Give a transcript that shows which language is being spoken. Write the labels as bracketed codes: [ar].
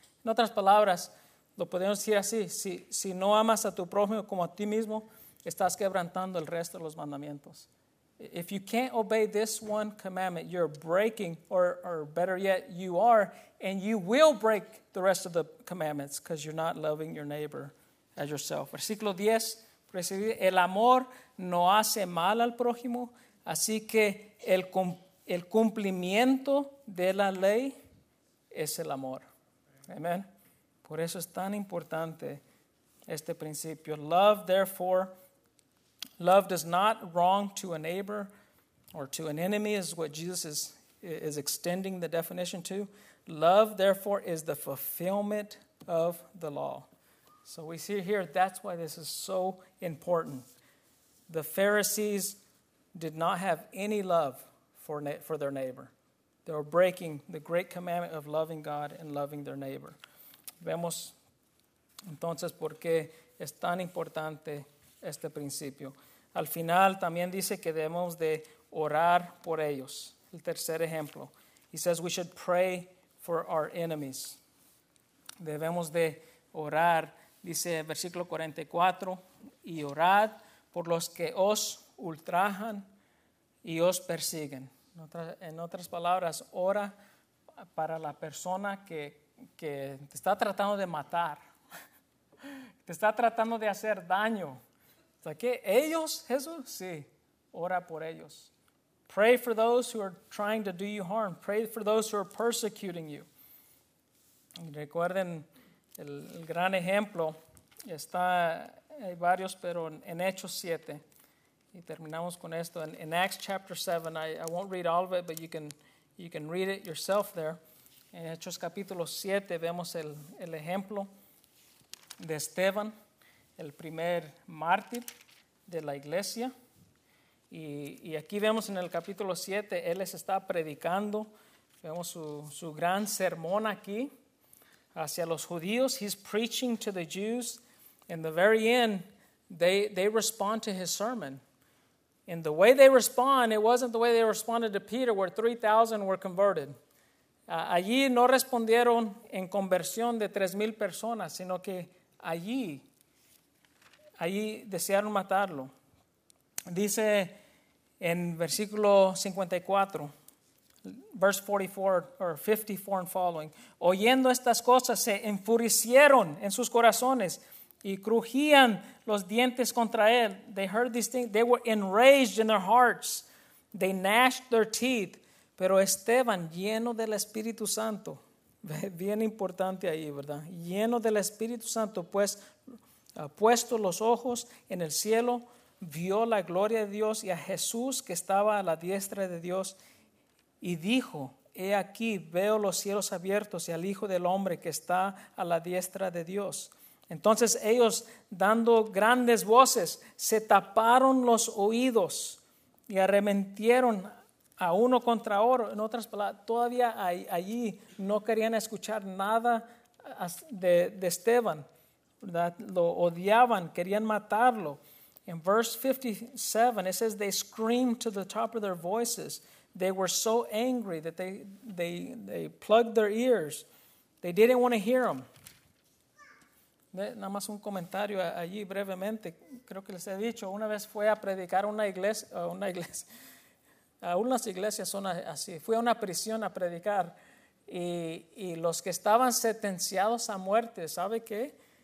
[es] En otras palabras, lo podemos decir así. Si no amas a tu prójimo como a ti mismo, estás quebrantando el resto de los mandamientos. [en] If you can't obey this one commandment, you're breaking, or better yet, you are, and you will break the rest of the commandments because you're not loving your neighbor as yourself. [es] Versículo 10, el amor no hace mal al prójimo, así que el cumplimiento de la ley es el amor. Amen. Por eso es tan importante este principio. [en] Love, therefore, love does not wrong to a neighbor or to an enemy, is what Jesus is extending the definition to. Love, therefore, is the fulfillment of the law. So we see here, that's why this is so important. The Pharisees did not have any love for their neighbor. They were breaking the great commandment of loving God and loving their neighbor. [es] Vemos entonces por qué es tan importante este principio. Al final también dice que debemos de orar por ellos. El tercer ejemplo. [en] He says we should pray for our enemies. [es] Debemos de orar, dice el versículo 44, y orad por los que os ultrajan y os persiguen. En otras palabras, ora para la persona que te está tratando de matar, te está tratando de hacer daño. ¿Qué? ¿Ellos, Jesús? Sí, ora por ellos. [en] Pray for those who are trying to do you harm. Pray for those who are persecuting you. [es] Y recuerden el gran ejemplo. Hay varios, pero en Hechos 7. Y terminamos con esto. [en] In Acts chapter 7, I won't read all of it, but you can read it yourself there. [es] En Hechos capítulo 7 vemos el ejemplo de Esteban, el primer mártir de la iglesia. Y aquí vemos en el capítulo 7, él les está predicando. Vemos su gran sermón aquí hacia los judíos. [en] He's preaching to the Jews. In the very end, they respond to his sermon. And the way they respond, it wasn't the way they responded to Peter, where 3,000 were converted. [es] Allí no respondieron en conversión de 3,000 personas, sino que allí desearon matarlo. Dice en versículo 54, [en] verse 44, or 54 and following, [es] oyendo estas cosas, se enfurecieron en sus corazones y crujían los dientes contra él. [en] They heard these things. They were enraged in their hearts. They gnashed their teeth. [es] Pero Esteban, lleno del Espíritu Santo, bien importante ahí, ¿verdad? Lleno del Espíritu Santo, pues, puesto los ojos en el cielo, vio la gloria de Dios y a Jesús que estaba a la diestra de Dios y dijo, he aquí, veo los cielos abiertos y al Hijo del Hombre que está a la diestra de Dios. Entonces ellos, dando grandes voces, se taparon los oídos y arremetieron a uno contra otro. En otras palabras, todavía allí no querían escuchar nada de Esteban, ¿verdad? Lo odiaban, querían matarlo. [en] En verse 57, it says they screamed to the top of their voices. They were so angry that they plugged their ears. They didn't want to hear him. [es] Nada más un comentario allí brevemente. Creo que les he dicho, una vez fue a predicar a una iglesia. Aún las iglesias son así. Fui a una prisión a predicar y los que estaban sentenciados a muerte, ¿sabe qué?